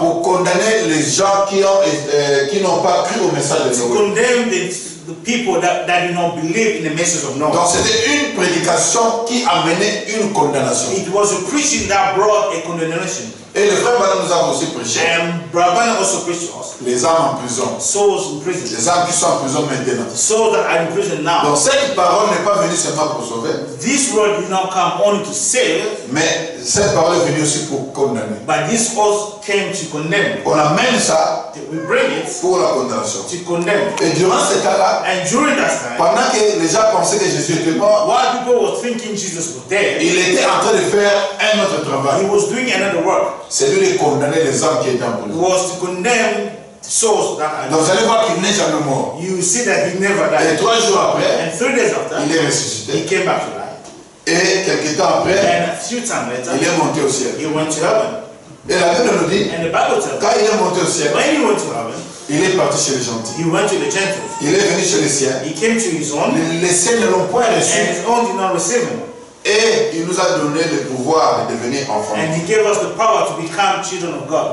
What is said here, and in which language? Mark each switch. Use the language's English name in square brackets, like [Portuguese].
[French] Pour condamner les gens qui n'ont pas cru au message de Noé. [English] To condemn the people that did not believe in the message of Noah. [French] Donc c'était une prédication qui amenait une condamnation. [English] It was a preaching that brought a condemnation. [French] Et le frère Branham nous a aussi prêché. [English] And Brother Branham also preached us. [French] Les âmes en prison. [English] Souls in prison. [French] Les âmes qui sont en prison maintenant. [English] Souls that are in prison now. [French] Donc cette parole n'est pas venue seulement pour sauver. [English] This word did not come only to save. [French] Mais cette parole est venue aussi pour condamner. [English] But this word came to condemn. [French] On amène ça. [English] We bring it. [French] Pour la condamnation. [English] To condemn. [French] Et durant ce temps-là. [English] And during that time. [French] Pendant que les gens pensaient que Jésus était mort. [English] While people were thinking Jesus was dead. [French] Il était en train de faire un autre travail. [English] He was doing another work. [French] C'est lui qui condamnait les âmes qui étaient en prison. [English] Was to condemn souls that [French] Donc vous allez voir qu'il n'est jamais mort. [English] You see that he never died. [French] Et trois jours après, [English] and 3 days after, [French] il est ressuscité. [English] He came back to life. [French] Et quelques temps après, [English] and a few time later, [French] il est monté au ciel. [English] He went to heaven. [French] Et la Bible nous dit, [English] and the Bible tells, [French] quand il est monté au ciel, [English] when he went to heaven, [French] il est parti chez les gentils. [English] He went to the gentiles. [French] Il est venu chez les siens. [English] He came to his own. [French] Les siens ne l'ont point reçu. [English] And his own did not receive him. [French] Et il nous a donné le pouvoir de devenir enfants. [English] And he gave us the power to become children of God.